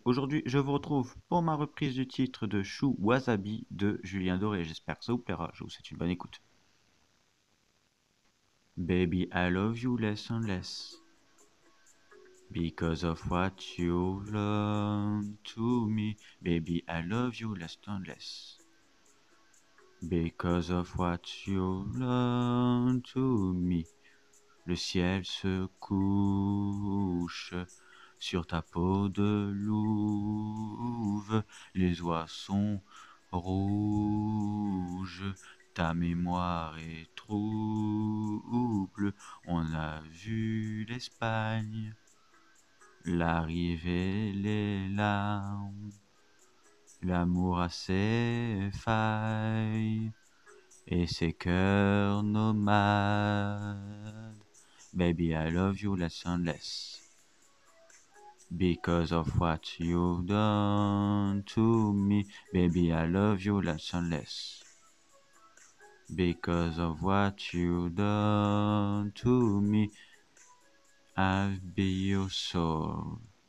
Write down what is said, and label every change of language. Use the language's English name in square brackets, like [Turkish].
[French] Aujourd'hui, je vous retrouve pour ma reprise du titre de Chou Wasabi de Julien Doré. J'espère que ça vous plaira. Je vous souhaite une bonne écoute. [English] Baby, I love you less and less. Because of what you learned to me. Baby, I love you less and less. Because of what you learned to me. [French] Le ciel se couche sur ta peau de louve, les oies sont rouges, ta mémoire est trouble, on a vu l'Espagne, la rivée, les larmes, l'amour a ses failles, et ses cœurs nomades. [English] Baby, I love you less and less. Because of what you've done to me, baby, I love you less and less. Because of what you've done to me, I'll be your soul.